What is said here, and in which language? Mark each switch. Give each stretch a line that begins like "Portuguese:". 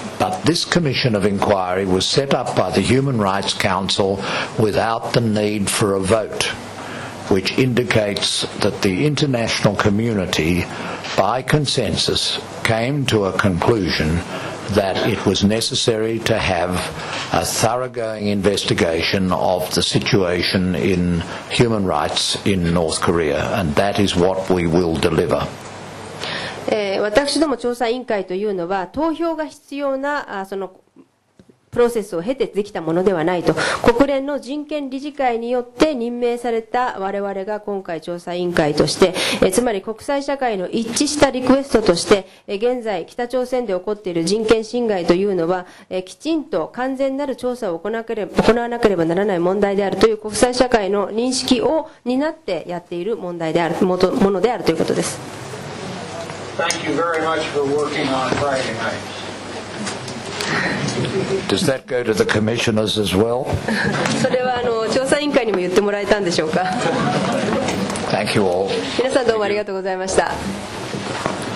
English: But this commission of inquiry was set up by the Human Rights Council without the need for a vote, which indicates that the international community by consensus came to a conclusionthat it was necessary to have a thoroughgoing investigation of the situation in human rights in North Korea, and that is what we will deliver.
Japanese: 私ども調査委員会というのは投票が必要なそのプロセスを経てできたものではないと、国連の人権理事会によって任命された我々が今回調査委員会として、つまり国際社会の一致したリクエストとして、現在北朝鮮で起こっている人権侵害というのはきちんと完全なる調査を行わなければならない問題であるという国際社会の認識を担ってやっている問題であるものであるということです。
English: Thank you very much for working on Friday night. Does that go to the commissioners as well?
Japanese: それは調査委員会にも言ってもらえたんでしょうか。
English: Thank you all.
Japanese: 皆さんどうもありがとうございました。